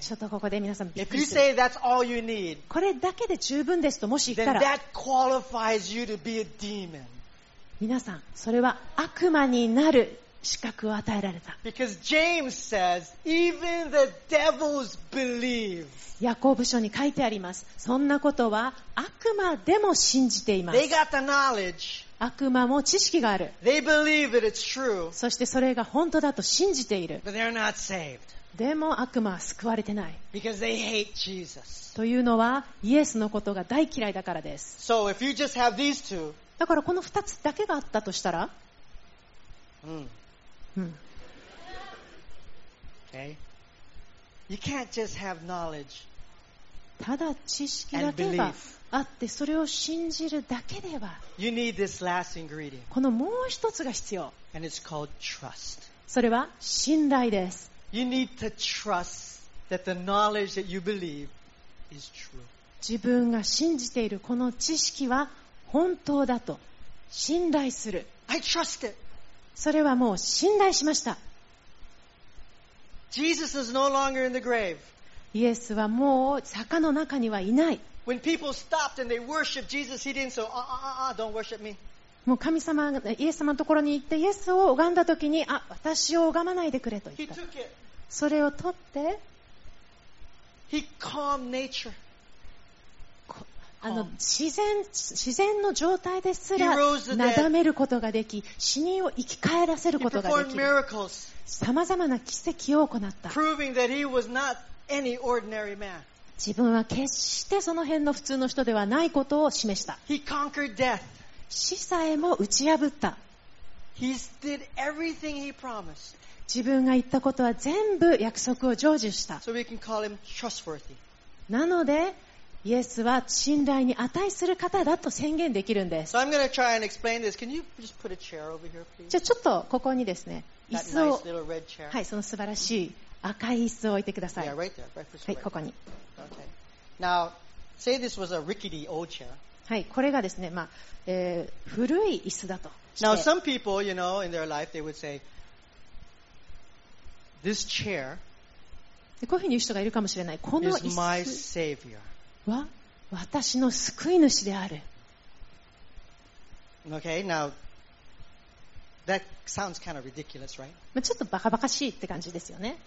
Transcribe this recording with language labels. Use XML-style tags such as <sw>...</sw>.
<ja>ちょっとここで皆さんびっくりする。</ja> <en>If you say that's all you need,</en> <ja>これだけで十分ですともし言ったら、</ja> <en>then that qualifies you to be a demon.</en> <ja>皆さん、それは悪魔になる資格を与えられた。</ja> <en>Because James says, even the devils believe.</en> <ja>ヤコブ書に書いてあります。そんなことは悪魔でも信じています。</ja> <en>They got the knowledge.</en> <ja>悪魔も知識がある。</ja> <en>They believe that it's true.</en> <ja>そしてそれが本当だと信じている。</ja> <en>But they're not saved.</en> <ja>でも悪魔は救われてない。</ja> <en>Because they hate Jesus.</en> <ja>というのはイエスのことが大嫌いだからです。</ja> <en>So if you just have these two,</en> <ja>だからこの2つだけがあったとしたら、</ja> <en>Okay. You can't just have knowledge.</en> <ja>ただ知識だけがあってそれを信じるだけでは、</ja> <en>You need this last ingredient.</en> <ja>このもう1つが必要。</ja> <en>And it's called trust.</en> <ja>それは信頼です。</ja> <en>You need to trust that the knowledge that you believe is true.</en> <ja>自分が信じているこの知識は本当だと信頼する。</ja> <en>I trust it.</en> <ja>それはもう信頼しました。</ja> <en>Jesus is no longer in the grave.</en> <ja>イエスはもう墓の中にはいない。</ja> <en>When people stopped and they worshiped Jesus, he didn't say, don't worship me.</en> <ja>もう神様イエス様のところに行ってイエスを拝んだときに、あ、私を拝まないでくれと言った。それを取って、</ja> <en>He calmed nature.</en> <ja>あの自然の状態ですらなだめることができ、死人を生き返らせることができ、さまざまな奇跡を行った。</ja> <en>Proving that he was not any ordinary man.</en> <ja>自分は決してその辺の普通の人ではないことを示した。</ja> <en>He conquered death.</en> <ja>死さえも打ち破った。</ja> <en>He did everything he promised.</en> <ja>自分が言ったことは全部約束を成就した。</ja> <en>So we can call him trustworthy.</en> <ja>なのでイエスは信頼に値する方だと宣言できるんです。</ja> <en>So I'm going to try and explain this. Can you just put a chair over here, please?</en> <ja>じゃあちょっとここにですね、椅子を、</ja> <en>nice little red chair.</en> <ja>はい、その素晴らしい赤い椅子を置いてください。</ja> <en>Yeah, right there. Right,</en> <ja>はい、ここに。</ja> <en>Okay. Now, say this was a rickety old chair.</en> <ja>はい、これがですね、まあ古い椅子だと。</ja> <en>Now some people, you know, in their life, they would say, this chair.</en> <ja>こういうふうに言う人がいるかもしれない。この椅子。</ja> <en>Is my savior.</en> <ja>は私の救い主である。</ja> <en>Okay, now that sounds kind of ridiculous, right?</en> <ja>まあちょっとバカバカしいって感じですよね。</ja>